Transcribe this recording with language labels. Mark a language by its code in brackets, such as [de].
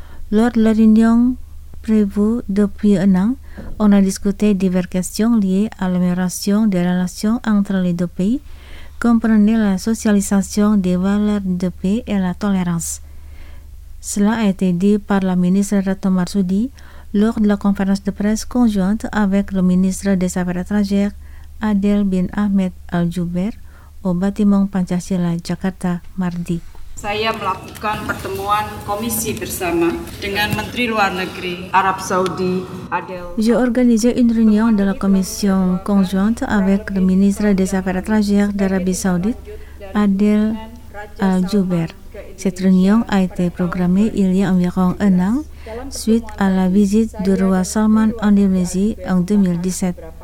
[fr] Lors de la réunion prévue depuis un an, on a discuté diverses questions liées à l'amélioration des relations entre les deux pays, comprenant la socialisation des valeurs de paix et la tolérance. Cela a été dit par la ministre Retno Marsudi lors de la conférence de presse conjointe avec le ministre des Affaires étrangères Adel bin Ahmed Al Jubeir au bâtiment Pancasila Jakarta mardi. [id] Saya melakukan pertemuan komisi bersama dengan Menteri Luar Negeri Arab Saudi Adel. [fr] J'ai organisé une réunion de la commission conjointe avec le ministre des Affaires étrangères d'Arabie Saoudite Adel Al Jubeir. Cette réunion a été programmée il y a environ un an suite à la visite du roi Salman en Indonésie en 2017.